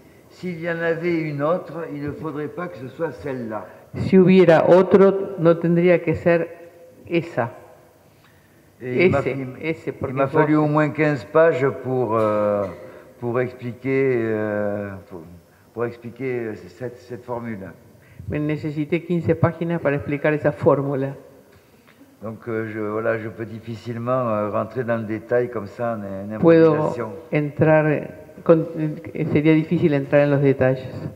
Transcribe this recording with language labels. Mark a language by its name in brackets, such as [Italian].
[French] S'il y en avait une autre, il ne faudrait pas que ce soit celle-là. [Spanish] Si hubiera otro, no tendría que ser esa. [French] Il m'a fallu au moins 15 pages pour expliquer cette formule. [Spanish] Me necesité 15 páginas para explicar esa fórmula. [French] Donc je peux difficilement rentrer dans le détail comme ça en improvisation. [Spanish] Puedo entrar sería difícil entrar en los detalles.